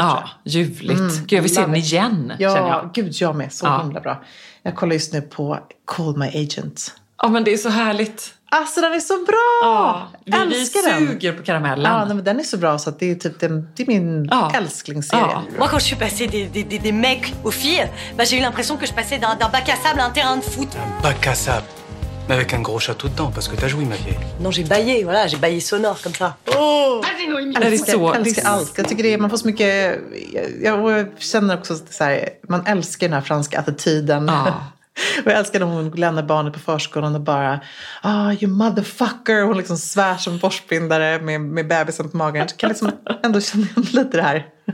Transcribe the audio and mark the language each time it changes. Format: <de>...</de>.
<sv>Ja, ljuvligt. Mm. Gud, vi ser den igen, ja, känner jag. Gud, jag med. Så himla bra. Jag kollar just nu på Call My Agent. Ja, men det är så härligt. Alltså den är så bra! Ja, vi älskar den. Suger på karamellen. Ja, men den är så bra så att det är typ det är min älsklingsserie.</sv> <fr>Moi quand je suis passé des mecs aux filles, bah j'ai eu l'impression que je passais d'un bac à sable à un terrain de foot. Un bac à sable. Mais avec un gros château dedans parce que t'as joué ma vieille. Non, j'ai baillé, voilà, j'ai baillé sonore comme ça. Oh! Vas-y Noémie.</fr> <sv>Jag älskar allt. Jag tycker det är, man får så mycket, jag känner också så här, man älskar den här franska attityden. Ja. Och jag älskar när hon lämnar barnet på förskolan och bara,</sv> <en>you motherfucker.</en> <sv>Hon liksom svär som borstbindare med bebisen på magen. Jag kan liksom ändå känna lite det här.</sv>